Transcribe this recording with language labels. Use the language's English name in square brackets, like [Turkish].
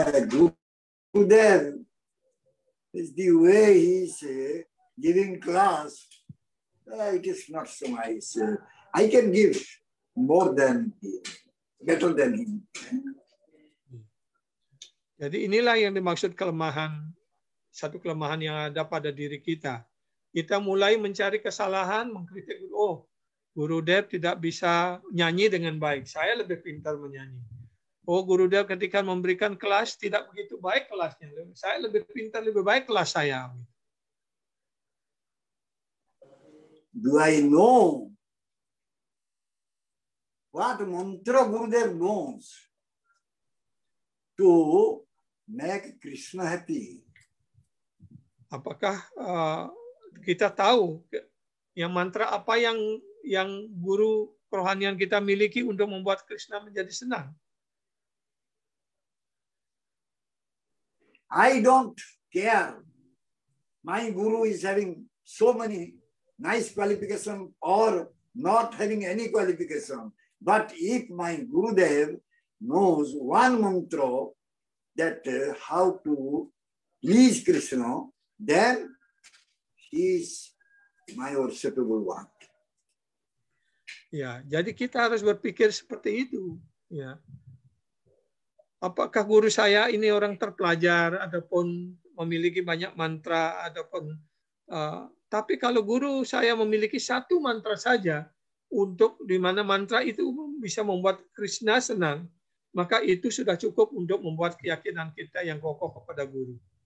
[English] Gurudev is the way he is giving class. It is not so nice. I can give more than him, better than him. [Indonesian] Jadi inilah yang dimaksud kelemahan, satu kelemahan yang ada pada diri kita. Kita mulai mencari kesalahan, mengkritik, oh, Gurudev tidak bisa nyanyi dengan baik. Saya lebih pintar menyanyi. Oh, Gurudev ketika memberikan kelas, tidak begitu baik kelasnya. Saya lebih pintar, lebih baik kelas saya. [English] Do I know what mantra Gurudev knows to make Krishna happy? [Indonesian] Apakah kita tahu yang mantra apa yang guru kerohanian kita miliki untuk membuat Krishna menjadi senang? [English] I don't care. My guru is having so many nice qualification or not having any qualification. But if my Gurudev knows one mantra, that how to please Krishna, then he is my worshipable one. [Indonesian] Ya, jadi kita harus berpikir seperti itu. Ya, apakah guru saya ini orang terpelajar ataupun memiliki banyak mantra ataupun tapi kalau guru saya memiliki satu mantra saja untuk di mana mantra itu bisa membuat Krishna senang, maka itu sudah cukup untuk membuat keyakinan kita yang kokoh kepada guru.